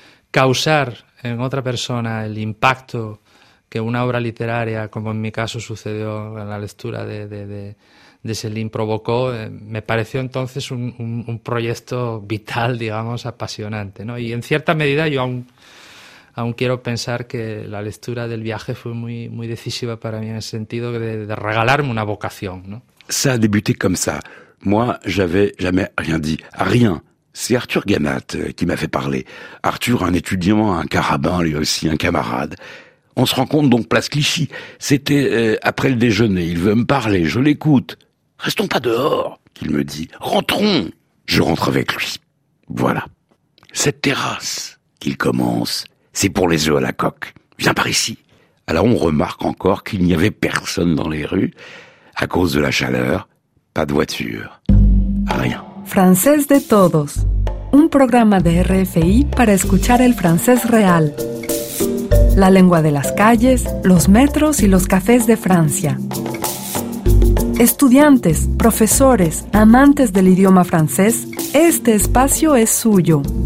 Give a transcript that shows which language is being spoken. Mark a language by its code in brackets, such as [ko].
[es] causar en otra persona el impacto que una obra literaria, como en mi caso sucedió en la lectura de Céline, provocó, me pareció entonces un proyecto vital, digamos, apasionante, ¿no? Y en cierta medida yo aún quiero pensar que la lectura del viaje fue muy, muy decisiva para mí en el sentido de regalarme una vocación, ¿no? [fr] Ça a débuté comme ça. Moi, j'avais jamais rien dit. Rien. C'est Arthur Gannat qui m'a fait parler. Arthur, un étudiant, un carabin, lui aussi, un camarade. On se rencontre donc place Clichy. C'était après le déjeuner. Il veut me parler, je l'écoute. « Restons pas dehors !» qu'il me dit. « Rentrons !» Je rentre avec lui. Voilà. « Cette terrasse !» qu'il commence. « C'est pour les œufs à la coque. Viens par ici !» Alors on remarque encore qu'il n'y avait personne dans les rues. À cause de la chaleur, pas de voiture. Rien. [es] Francés de todos. Un programa de RFI para escuchar el francés real. La lengua de las calles, los metros y los cafés de Francia. Estudiantes, profesores, amantes del idioma francés, este espacio es suyo.